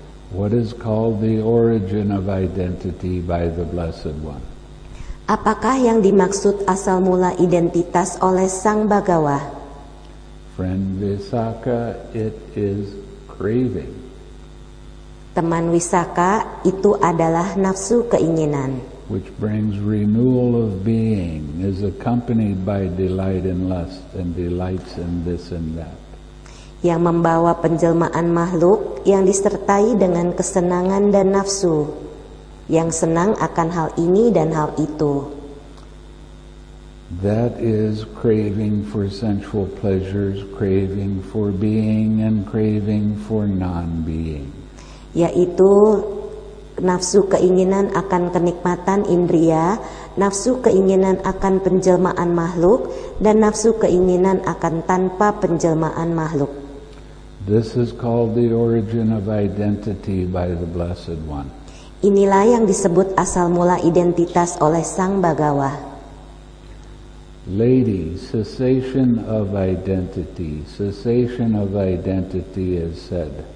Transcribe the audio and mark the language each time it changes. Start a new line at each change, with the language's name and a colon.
English: What is called the origin of identity by the Blessed One?
Indonesian: Apakah yang dimaksud asal mula identitas oleh Sang Bhagawa?
English: Friend Visakha, it is craving.
Indonesian: Teman Visakha, itu adalah nafsu, keinginan.
English: Which brings renewal of being, is accompanied by delight and lust, and delights in this and that.
Indonesian: Yang membawa penjelmaan makhluk, yang disertai dengan kesenangan dan nafsu, yang senang akan hal ini dan hal itu.
English: That is craving for sensual pleasures, craving for being, and craving for non-being.
Indonesian: Yaitu nafsu keinginan akan kenikmatan indria, nafsu keinginan akan penjelmaan makhluk, dan nafsu keinginan akan tanpa penjelmaan makhluk.
English: This is called the origin of identity by the Blessed One.
Indonesian: Inilah yang disebut asal mula identitas oleh Sang Bhagawa.
English: Lady, cessation of identity. Cessation of identity is said.